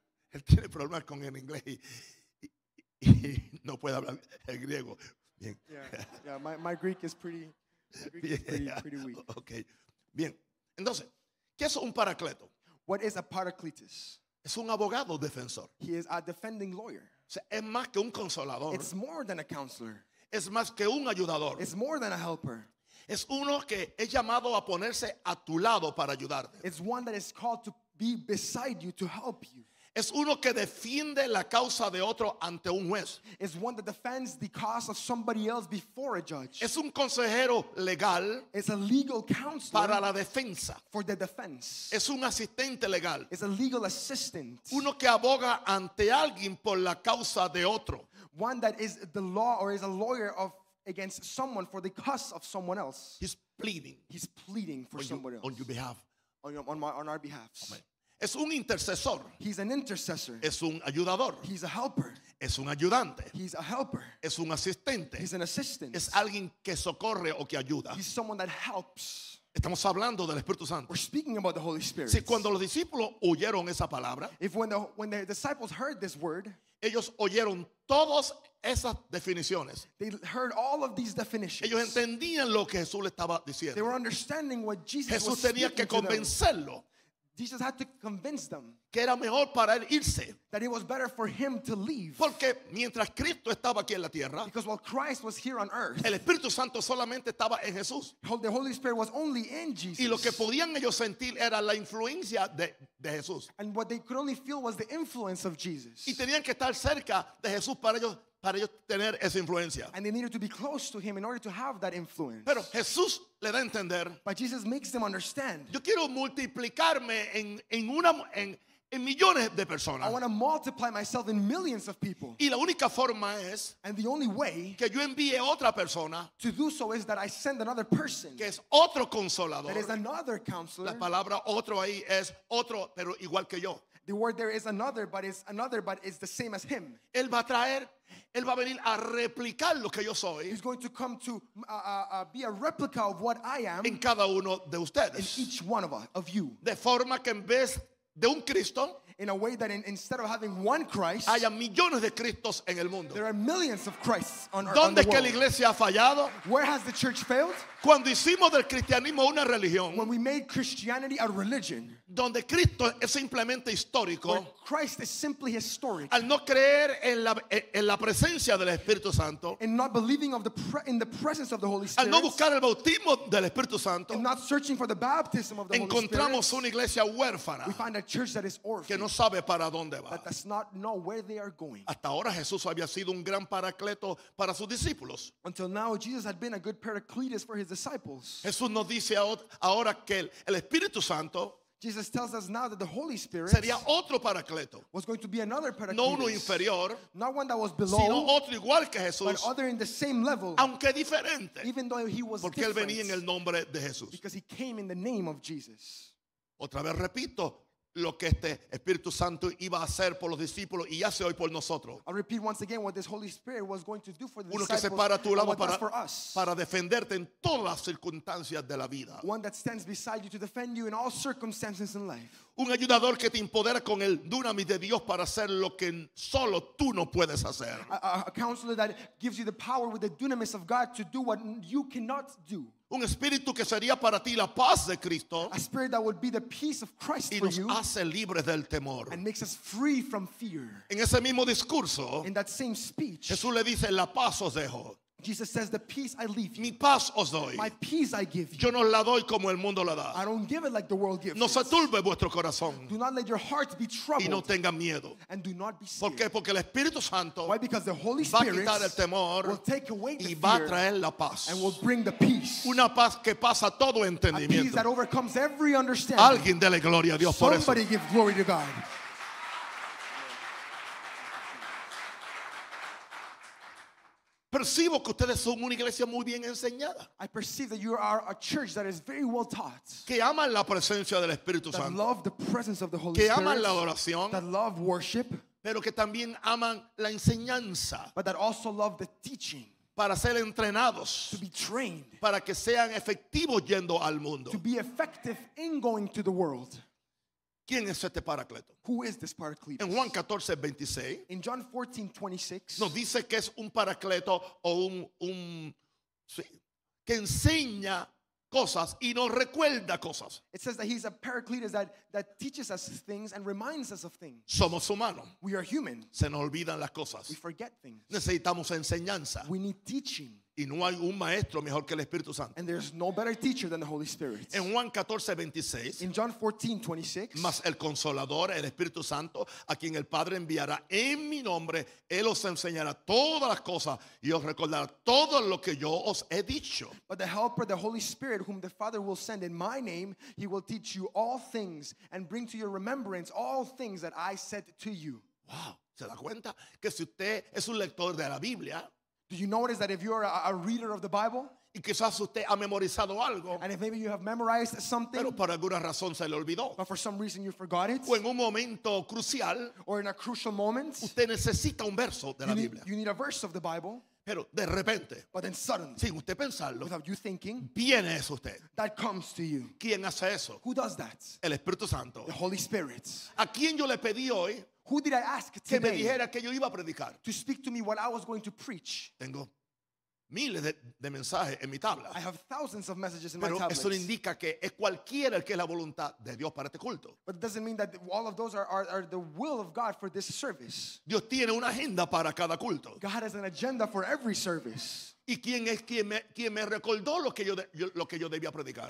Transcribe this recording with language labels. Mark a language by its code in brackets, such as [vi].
[es] Él tiene problemas con el inglés y no puede hablar el griego. Bien. [en] Yeah, my Greek is pretty, pretty weak. Okay. [es] Bien, entonces, ¿qué es un paracleto? [en] What is a paracletus? [es] Es un abogado defensor. [en] He is a defending lawyer. [es] O sea, es más que un consolador. [en] It's more than a counselor. [es] Es más que un ayudador. [en] It's more than a helper. [es] Es uno que es llamado a ponerse a tu lado para ayudarte. [en] It's one that is called to be beside you, to help you. [es] Es uno que defiende la causa de otro ante un juez. [en] Is one that defends the cause of somebody else before a judge. [es] Es un consejero legal. [en] Is a legal counselor. [es] Para la defensa. [en] For the defense. [es] Es un asistente legal. [en] Is a legal assistant. [es] Uno que aboga ante alguien por la causa de otro. [en] One that is the law or is a lawyer of against someone for the cause of someone else. He's pleading. He's pleading for somebody else. On your behalf. On our behalf. [es] Amen. Es un intercesor. [en] He's an intercessor. [es] Es un ayudador. [en] He's a helper. [es] Es un ayudante. [en] He's a helper. [es] Es un asistente. [en] He's an assistant. [es] Es alguien que socorre o que ayuda. [en] He's someone that helps. [es] Estamos hablando del Espíritu Santo. [en] We're speaking about the Holy Spirit. [es] Si cuando los discípulos oyeron esa palabra, [en] if when the disciples heard this word, [es] ellos oyeron todas esas definiciones. [en] They heard all of these definitions. [es] Ellos entendían lo que Jesús le estaba diciendo. [en] They were understanding what Jesus was speaking. [es] Jesús tenía que convencerlo. [en] Jesus had to convince them [es] que era mejor para él irse. [en] That it was better for him to leave. [es] Porque mientras Cristo estaba aquí en la tierra, [en] because while Christ was here on earth, [es] el Espíritu Santo solamente estaba en Jesús. [en] The Holy Spirit was only in Jesus. [es] Y lo que podían ellos sentir era la influencia de Jesús. [en] And what they could only feel was the influence of Jesus. [es] Y tenían que estar cerca de Jesús para ellos tener esa influencia. [en] And they needed to be close to him in order to have that influence. [es] Pero Jesús le da a entender. [en] But Jesus makes them understand. [es] Yo quiero multiplicarme en millones de personas. [en] I want to multiply myself in millions of people. [es] Y la única forma es. [en] And the only way. [es] Que yo envíe otra persona. [en] To do so is that I send another person. [es] Que es otro consolador. [en] That is another counselor. [es] La palabra otro ahí es otro, pero igual que yo. [en] The word there is another, but it's another, but it's the same as him. [es] Él va a traer. Él va a venir a replicar lo que yo soy. [en] He's going to come to be a replica of what I am. [es] En cada uno de ustedes. [en] In each one of you. [es] De forma que en vez de un Cristo. [en] In a way that instead of having one Christ. [es] Haya millones de Cristos en el mundo. [en] There are millions of Christs on earth. [es] ¿Dónde es que la iglesia ha fallado? [en] Where has the church failed? [es] Cuando hicimos del cristianismo una religión. [en] When we made Christianity a religion. [es] Donde Cristo es simplemente histórico. [en] Where Christ is simply historic. [es] Al no creer en la presencia del Espíritu Santo. [en] And not believing in the presence of the Holy Spirit. [es] Al no buscar el bautismo del Espíritu Santo. [en] And not searching for the baptism of the Holy Spirit. [es] Encontramos una iglesia huérfana. [en] We find a church that is orphaned. [es] Que no sabe para dónde va. [en] That does not know where they are going. [es] Hasta ahora Jesús había sido un gran paracleto para sus discípulos. [en] Until now Jesus had been a good paracletus for his disciples. [es] Jesús nos dice ahora que el Espíritu Santo. [en] Jesus tells us now that the Holy Spirit [es] sería otro paracleto. [en] Was going to be another paracleto. [es] No uno inferior. [en] Not one that was below. [es] Sino otro igual que Jesús. [en] But other in the same level. [es] Aunque diferente. [en] Even though he was [es] porque [en] different. [es] Él venía en el nombre de Jesús. [en] Because he came in the name of Jesus. [es] Otra vez repito. Lo que este Espíritu Santo iba a hacer por los discípulos y hace hoy por nosotros. [en] I'll repeat once again what this Holy Spirit was going to do for the [es] uno que se para a tu lado para defenderte en todas las circunstancias de la vida. [en] One that stands beside you to defend you in all circumstances in life. [es] Un ayudador que te empodera con el dunamis de Dios para hacer lo que solo tú no puedes hacer. [en] A counselor that gives you the power with the dunamis of God to do what you cannot do. [es] Un espíritu que sería para ti la paz de Cristo. [en] A spirit that would be the peace of Christ for you. [es] Y nos hace libres del temor. [en] And makes us free from fear. [es] En ese mismo discurso. [en] In that same speech. [es] Jesús le dice, la paz os dejo. [en] Jesus says, the peace I leave you. [es] Mi paz os doy. [en] My peace I give you. [es] Yo no la doy como el mundo la da. [en] I don't give it like the world gives. [es] No se turbe vuestro corazón. [en] Do not let your hearts be troubled. [es] Y no tengan miedo. [en] And do not be scared. [es] ¿Por qué? Porque el Espíritu Santo. [en] Why? Because the Holy Spirit [es] va a quitar el temor. [en] Will take away the fear. [es] Y va a traer la paz. [en] And will bring the peace. [es] Una paz que pasa todo entendimiento. [en] A peace that overcomes every understanding. [es] Alguien dele gloria a Dios por eso. [en] Somebody give glory to God. [es] Percibo que ustedes son una iglesia muy bien enseñada. [en] I perceive that you are a church that is very well taught. [es] Que aman la presencia del Espíritu Santo. [en] That love the presence of the Holy [es] que [en] Spirit. [es] Que aman la oración. [en] That love worship. [es] Pero que también aman la enseñanza. [en] But that also love the teaching. [es] Para ser entrenados. [en] To be trained. [es] Para que sean efectivos yendo al mundo. [en] To be effective in going to the world. [es] ¿Quién es este paracleto? [en] Who is this paracletus? [es] En Juan 14:26. [en] In John 14:26. [es] Nos dice que es un paracleto o un que enseña cosas y nos recuerda cosas. [en] It says that he's a paracletus that teaches us things and reminds us of things. [es] Somos humanos. [en] We are human. [es] Se nos olvidan las cosas. [en] We forget things. [es] Necesitamos enseñanza. [en] We need teaching. [es] Y no hay un maestro mejor que el Espíritu Santo. [en] And there's no better teacher than the Holy Spirit. [es] En Juan 14:26. [en] In John 14:26. [es] Mas el Consolador, el Espíritu Santo, a quien el Padre enviará en mi nombre, él os enseñará todas las cosas y os recordará todo lo que yo os he dicho. [en] But the Helper, the Holy Spirit, whom the Father will send in my name, he will teach you all things and bring to your remembrance all things that I said to you. [es] Wow, ¿se da cuenta que si usted es un lector de la Biblia? [en] Do you notice that if you are a reader of the Bible, [es] y quizás usted ha memorizado algo, [en] and if maybe you have memorized something, [es] pero por alguna razón se le olvidó, [en] but for some reason you forgot it, [es] o en un momento crucial, [en] or in a crucial moment, [es] usted necesita un verso de la Biblia. [en] You need a verse of the Bible, [es] pero de repente, [en] but then suddenly, [es] sin usted pensarlo, [en] without you thinking, [es] viene eso usted. [en] That comes to you. [es] ¿Quién hace eso? [en] Who does that? [es] El Espíritu Santo. [en] The Holy Spirit. [es] ¿A quién yo le pedí hoy? [en] Who did I ask today [es] que me dijera que yo iba a predicar? [en] To speak to me what I was going to preach? [es] Tengo miles de mensajes en mi tabla. [en] I have thousands of messages in [es] pero [en] my tablets. [es] Pero eso indica que es cualquiera el que es la voluntad de Dios para este culto. [en] But it doesn't mean that all of those are the will of God for this service. [es] Dios tiene una agenda para cada culto. [en] God has an agenda for every service. [es] ¿Y quién es quien me recordó lo que yo debía predicar?